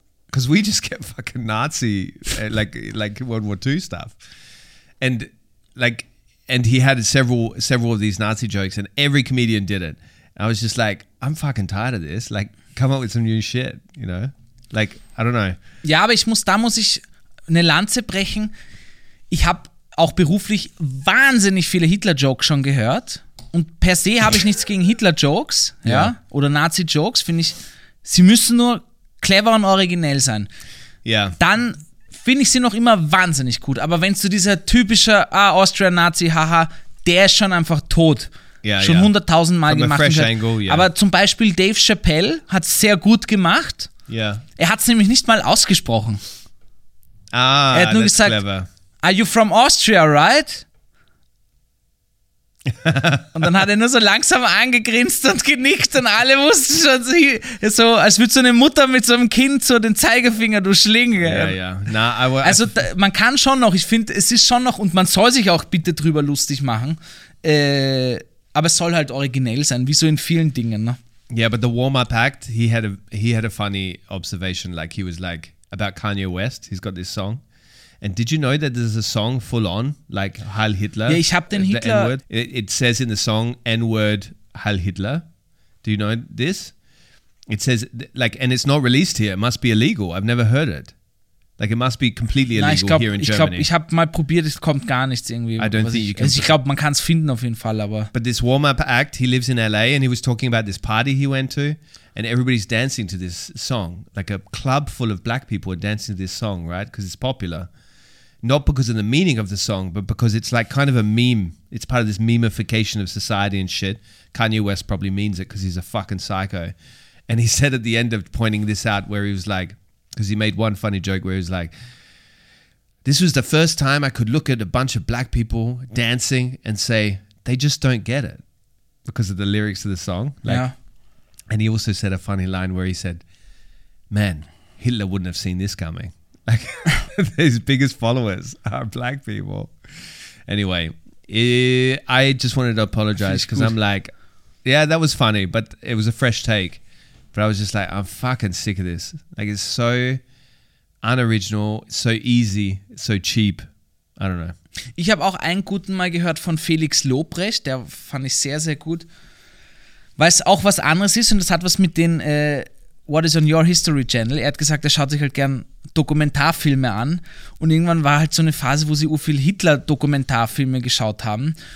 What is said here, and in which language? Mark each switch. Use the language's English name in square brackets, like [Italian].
[English] Because we just get fucking Nazi, like World War II stuff. And like, and he had several of these Nazi jokes and every comedian did it. And I was just like, I'm fucking tired of this. Like, come up with some new shit, you know? Like, I don't know. [German] Ja, aber da muss ich eine Lanze brechen. Ich habe auch beruflich wahnsinnig viele Hitler-Jokes schon gehört. Und per se habe ich nichts gegen Hitler-Jokes, ja, oder Nazi-Jokes, finde ich, sie müssen nur clever und originell sein. Ja. Dann finde ich sie noch immer wahnsinnig gut. Aber wenn es so dieser typische Austria-Nazi, haha, der ist schon einfach tot. Ja, schon 100.000 Mal gemacht. [English] From a fresh angle, yeah. [German] Aber zum Beispiel Dave Chappelle hat es sehr gut gemacht. Ja. Er hat es nämlich nicht mal ausgesprochen. Ah, er hat nur [English] that's [German] gesagt, [English] clever. Are you from Austria, right? [German] Und dann hat er nur so langsam angegrinst und genickt und alle wussten schon, so als würde so eine Mutter mit so einem Kind so den Zeigefinger durchschlingen. Ja, ja. Also da, man kann schon noch, ich finde, es ist schon noch, und man soll sich auch bitte drüber lustig machen, aber es soll halt originell sein, wie so in vielen Dingen. Ne? [English] Yeah, but the warm-up act, he had a funny observation, like he was like, about Kanye West, he's got this song. And did you know that there's a song full on, like Heil Hitler? [German] Yeah, ich hab den Hitler. [English] N-word. It says in the song, N-word, Heil Hitler. Do you know this? It says, like, and it's not released here. It must be illegal. I've never heard it. Like, it must be completely illegal. [German] Nein, ich glaub, [English] here in Germany. [German] Ich hab mal probiert, es kommt gar nichts irgendwie. [English] I don't think you can. [German] Also ich glaube, man kann es finden auf jeden Fall, aber. [English] But this warm-up act, he lives in LA and he was talking about this party he went to and everybody's dancing to this song. Like a club full of black people are dancing to this song, right? Because it's popular. Not because of the meaning of the song, but because it's like kind of a meme. It's part of this memification of society and shit. Kanye West probably means it because he's a fucking psycho. And he said at the end of pointing this out where he was like, because he made one funny joke where he was like, this was the first time I could look at a bunch of black people dancing and say, they just don't get it because of the lyrics of the song. Like, yeah. And he also said a funny line where he said, man, Hitler wouldn't have seen this coming. Like, his biggest followers are black people. Anyway, I just wanted to apologize because I'm like, yeah, that was funny, but it was a fresh take. But I was just like, I'm fucking sick of this. Like, it's so unoriginal, so easy, so cheap. I don't know. [German] Ich habe auch einen guten Mal gehört von Felix Lobrecht. Der fand ich sehr, sehr gut. Weil es auch was anderes ist und das hat was mit den [English] What is on your History Channel. [German] Er hat gesagt, er schaut sich halt gern Dokumentarfilme an. Und irgendwann war halt so eine Phase, wo sie viel Hitler-Dokumentarfilme geschaut haben.